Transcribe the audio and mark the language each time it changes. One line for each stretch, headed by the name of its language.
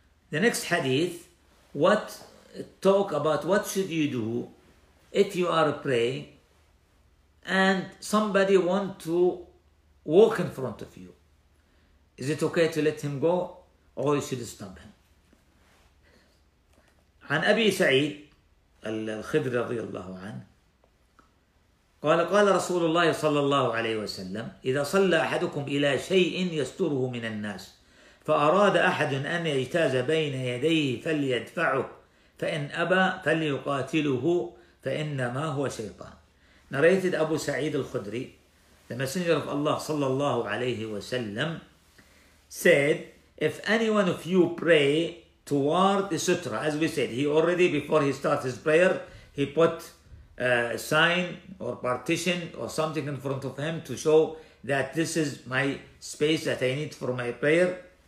English: The next hadith, what talk about what should you do if you are praying and somebody want to walk in front of you. Is it okay to let him go or you should stop him?
Arabic: عن أبي سعيد الخدري رضي الله عنه قال قال رسول الله صلى الله عليه وسلم إذا صلى أحدكم إلى شيء يستره من الناس فأراد أحد أن يجتاز بين يديه فليدفعه فإن أبى فليقاتله فإنما هو شيطان.
English: Narrated أبو سعيد الخدري, the messenger of Allah
Arabic: صلى الله عليه وسلم,
English: said, if anyone of you pray toward the sutra, as we said, he already, before he starts his prayer, he put a sign or partition or something in front of him to show that this is my space that I need for my prayer.